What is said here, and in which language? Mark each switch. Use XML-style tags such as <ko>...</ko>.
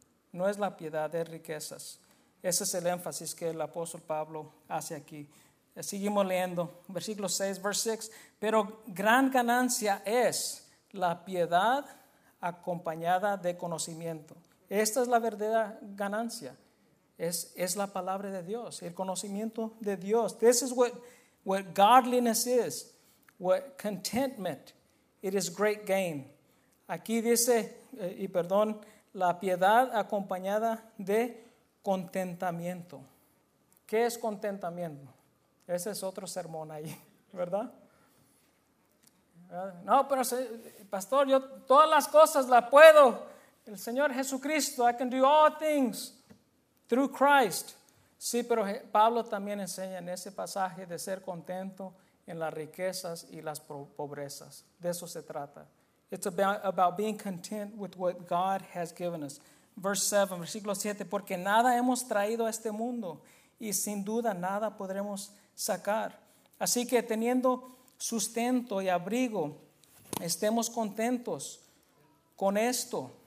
<es>No es la piedad, es riquezas. Ese es el énfasis que el apóstol Pablo hace aquí. Seguimos leyendo, versículo 6, verse 6. Pero gran ganancia es la piedad acompañada de conocimiento. Esta es la verdadera ganancia. Es la palabra de Dios, el conocimiento de Dios.</es> <en>This is what godliness is, what contentment. It is great gain.</en> <es>Aquí dice, y perdón, la piedad acompañada de contentamiento. ¿Qué es contentamiento? Ese es otro sermón ahí, ¿verdad? No, pero pastor, yo todas las cosas las puedo. El Señor Jesucristo,</es> <en>I can do all things through Christ.</en> <es>Sí, pero Pablo también enseña en ese pasaje de ser contento en las riquezas y las pobrezas. De eso se trata.</es> <en>It's about being content with what God has given us.</en> <es>Verse 7, versículo 7, porque nada hemos traído a este mundo y sin duda nada podremos sacar. Así que teniendo sustento y abrigo, estemos contentos con esto.</es>